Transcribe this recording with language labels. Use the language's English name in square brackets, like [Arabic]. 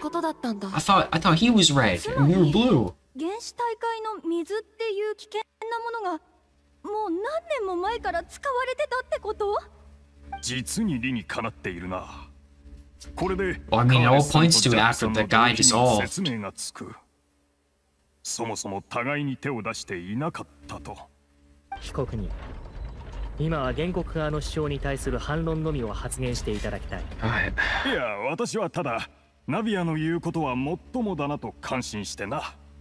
[English] I thought he was red and we were blue. [Japanese] 原始大海の水っていう危険なものが。もう何年も前から使われてたってこと？実に理にかなっているな。これで、 [English] I mean, all points to it after the guy dissolved. [Japanese] 説明がつく。そもそも互いに手を出していなかったと。被告人、今は原告側の主張に対する反論のみを発言していただきたい。いや、私はただナビアの言うことは最もだなと感心してな。